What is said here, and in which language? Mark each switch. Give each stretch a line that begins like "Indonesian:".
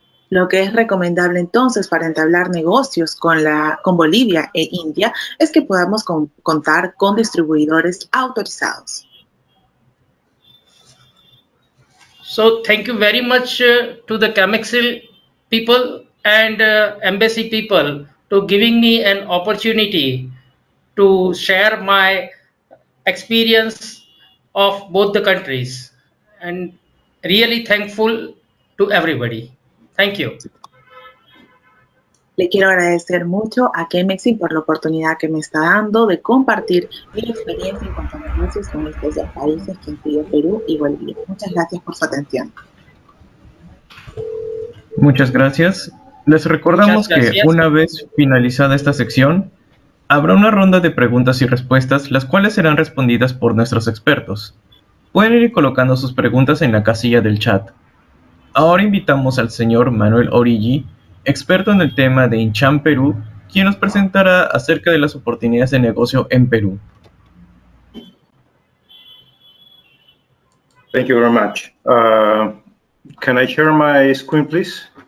Spanish: Lo que es recomendable entonces para entablar negocios con Bolivia e India es que podamos contar con distribuidores autorizados.
English: So thank you very much to the Chemexil people and embassy people to giving me an opportunity to share my experience of both the countries, and really thankful to everybody. Thank you.
Spanish: Le quiero agradecer mucho a Chemexil por la oportunidad que me está dando de compartir mi experiencia en cuanto a negocios con estos dos países, que incluye Perú y Bolivia. Muchas gracias por su atención. Muchas gracias. Les recordamos que una vez finalizada esta sección, habrá una ronda de preguntas y respuestas, las cuales serán respondidas por nuestros expertos. Pueden ir colocando sus preguntas en la casilla del chat. Ahora invitamos al señor Manuel Origi, experto en el tema de Incham Perú, quien nos presentará acerca de las oportunidades de negocio en Perú.
English: Thank you very much. Can I share my screen, please?